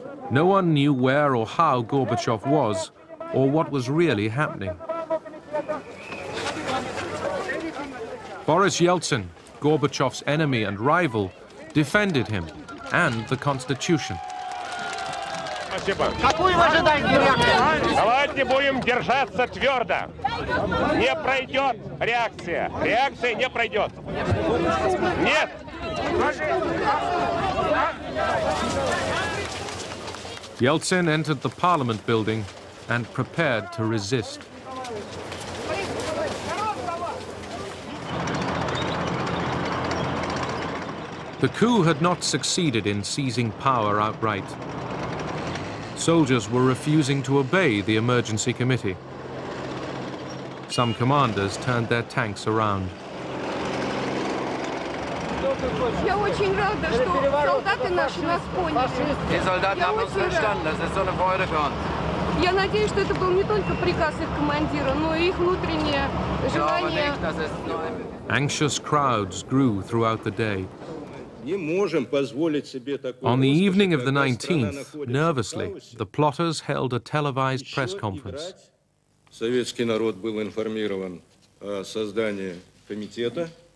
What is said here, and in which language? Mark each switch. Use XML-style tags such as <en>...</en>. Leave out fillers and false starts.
<en>No one knew where or how Gorbachev was, or what was really happening. Boris Yeltsin, Gorbachev's enemy and rival, defended him and the Constitution.</en> <ru>Какую вы ожидаете реакцию? Давайте будем держаться твердо. Не пройдет реакция. Реакция не пройдет. Нет!</ru> <en>Yeltsin entered the parliament building and prepared to resist. The coup had not succeeded in seizing power outright. Soldiers were refusing to obey the emergency committee. Some commanders turned their tanks around.</en> <ru>Я очень рада, что солдаты наши нас поняли. И солдаты нам услышали,</ru> <de>das ist so eine Freude für uns.</de> <ru>Я надеюсь, что это был не только приказ их командира, но и их внутреннее желание.</ru> <en>Anxious crowds grew throughout the day.</en> <ru>Не можем позволить себе такое.</ru> <en>On the evening of the 19th, nervously, the plotters held a televised press conference.</en> <ru>Советский народ был информирован о создании комитета.</ru>